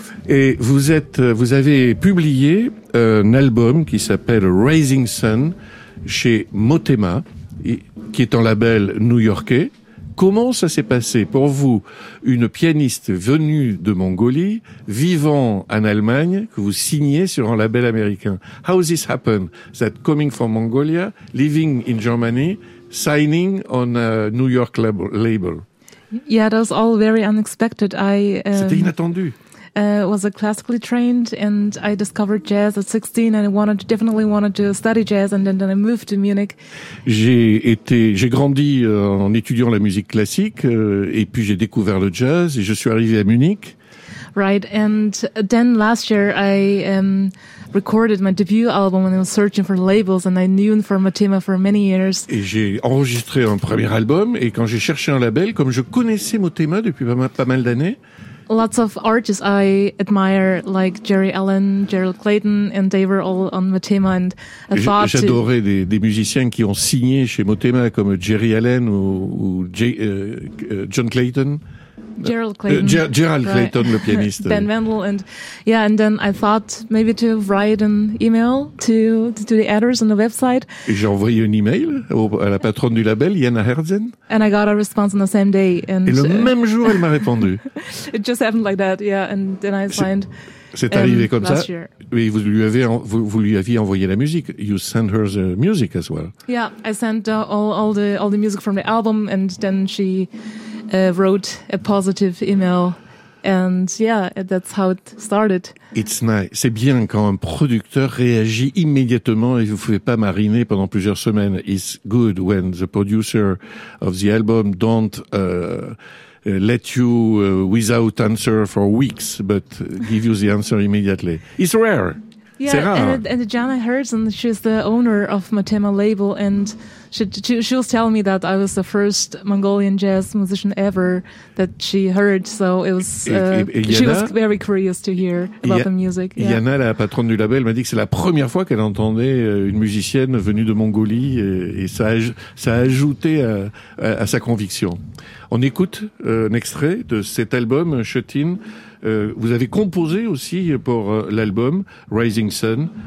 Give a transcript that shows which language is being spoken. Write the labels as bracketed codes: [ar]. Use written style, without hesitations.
[fr] Et vous avez publié un album qui s'appelle Rising Sun chez Motema, qui est un label new-yorkais. Comment ça s'est passé pour vous, une pianiste venue de Mongolie, vivant en Allemagne, que vous signez sur un label américain? [en] How this happened? That coming from Mongolia, living in Germany, signing on a New York label. Yeah, that was all very unexpected. [fr] C'était inattendu. [en] Was a classically trained, and I discovered jazz at 16, and I definitely wanted to study jazz, and then I moved to Munich. [fr] J'ai grandi en étudiant la musique classique, et puis j'ai découvert le jazz, et je suis arrivé à Munich. [en] Right, and then last year I recorded my debut album, and I was searching for labels, and I knew for Motema for many years. [fr] Et j'ai enregistré un premier album, et quand j'ai cherché un label, comme je connaissais Motema depuis pas mal d'années. [en] Lots of artists I admire, like Jerry Allen, Gerald Clayton, and they were all on Motema. And [fr] j'adorais des musiciens qui ont signé chez Motema, comme Jerry Allen ou John Clayton. [en] Gerald Clayton. Gerald Clayton, the pianist. Ben Wendell. And yeah, and then I thought maybe to write an email to the editors on the website. [fr] Et j'ai envoyé un email à la patronne du label, Jana Herzen. [en] And I got a response on the same day. And [fr] et le même jour, elle m'a répondu. [en] It just happened like that, yeah. And then I signed. [fr] C'est arrivé comme ça. Oui, vous lui aviez envoyé la musique. [en] You sent her the music as well. Yeah, I sent all the music from the album, and then she wrote a positive email, and yeah, that's how it started. It's nice. [fr] C'est bien quand un producteur réagit immédiatement et vous ne pouvez pas mariner pendant plusieurs semaines. [en] It's good when the producer of the album don't let you without answer for weeks, but give you the answer immediately. It's rare. Yeah, [fr] c'est rare. [en] And Jana Herzen, she's the owner of Matema label, and she was telling me that I was the first Mongolian jazz musician ever that she heard. So it was she was very curious to hear about the music. [fr] Jana, la patronne du label, m'a dit que c'est la première fois qu'elle entendait une musicienne venue de Mongolie, et ça a ajouté à sa conviction. On écoute un extrait de cet album, Shut-In. Vous avez composé aussi pour l'album Rising Sun.